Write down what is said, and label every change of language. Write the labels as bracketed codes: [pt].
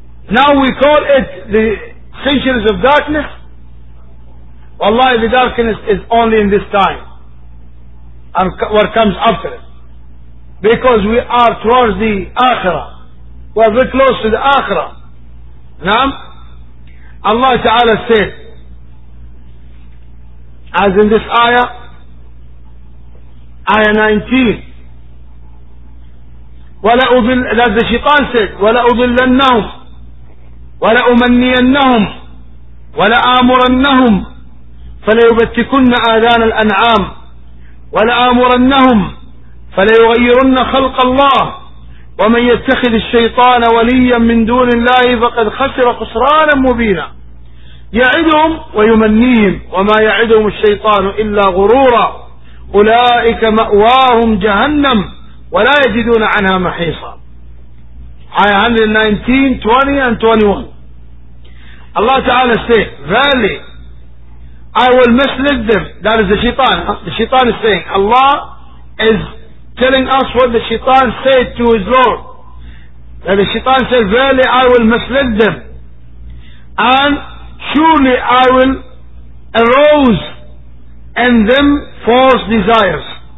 [en] Now we call it the centuries of darkness. Wallahi, the darkness is only in this time and what comes after it. Because we are towards the Akhirah. We are very close to the Akhirah. Naam? Allah Ta'ala said, as in this ayah, ayah 19, that the shaitan said, [ar] وَلَأُضِلَّنَّهُمْ وَلَأُمَنِّيَنَّهُمْ وَلَأَمُرَنَّهُمْ فَلَيُبَتِّكُنَّ آذَانَ الْأَنْعَامِ وَلَأَمُرَنَّهُمْ فَلَيُغَيِّرُنَّ خَلْقَ اللَّهِ وَمَنْ يَتَّخِذِ الشَّيْطَانَ وَلِيًّا مِنْ دُونِ اللَّهِ فَقَدْ خَسِرَ خُسْرَانًا مُبِينًا. يعدهم ويمنيهم وما يعدهم الشيطان إلا غرورا أولئك مأواهم جهنم ولا يجدون عنها محيصا. [en] Ayah 119, 20 and 21. Allah Ta'ala say, verily I will mislead them. That is the shaitan. The shaitan is saying, Allah is telling us what the shaitan said to his Lord. That the shaitan said, verily I will mislead them. And surely I will arouse in them false desires.